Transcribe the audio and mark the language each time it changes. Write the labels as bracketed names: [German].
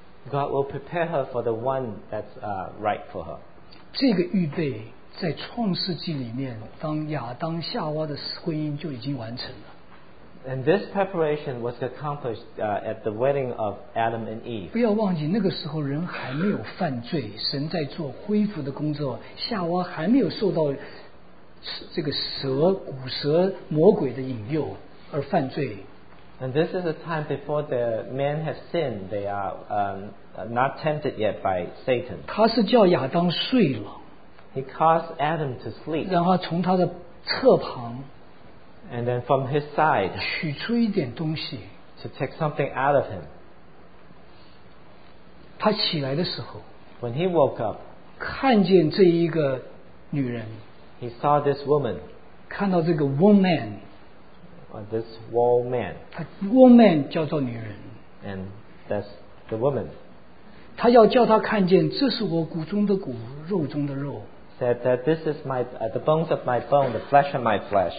[English] God will prepare her for the one that's right for her. [Chinese] 这个预备在创世纪里面，当亚当夏娃的婚姻就已经完成了。And [English] this preparation was accomplished at the wedding of Adam and Eve. [Chinese] 不要忘记，那个时候人还没有犯罪，神在做恢复的工作，夏娃还没有受到这个蛇、骨蛇、魔鬼的引诱而犯罪。 [English] And this is a time before the man has sinned. They are not tempted yet by Satan. [Chinese] 他是叫亚当睡了。He [English] caused Adam to sleep. [Chinese] 然后从他的侧旁, [English] and then from his side, [Chinese] 取出一点东西, [English] to take something out of him. [Chinese] 他起来的时候, [English] when he woke up, [Chinese] 看见这一个女人, [English] he saw this woman. [Chinese] 看到这个 woman. [English] This wall man. [Chinese] A woman 叫做女人, [English] and that's the woman. [Chinese] 他要叫他看见，这是我骨中的骨，肉中的肉。 [English] Said that this is my the bones of my bone, the flesh of my flesh.